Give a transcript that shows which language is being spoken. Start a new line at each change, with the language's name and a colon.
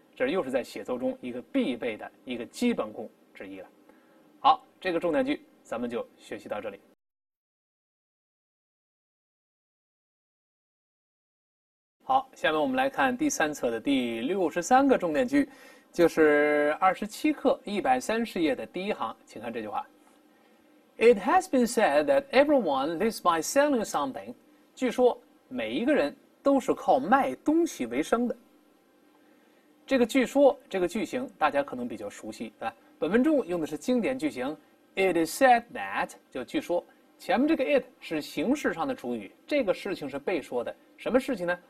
Chinese: 这又是在写作中一个必备的一个基本功之一了。好，这个重点句咱们就学习到这里。好，下面我们来看第三册的第63个重点句，就是27课130页的第一行，请看这句话。
English: It has been said that everyone lives by selling something。
Chinese: 据说每一个人都是靠卖东西为生的。这个据说，这个句型大家可能比较熟悉，对吧？本文中用的是经典句型 ，
English: It is said that
Chinese: 就据说，前面这个 it 是形式上的主语，这个事情是被说的，什么事情呢？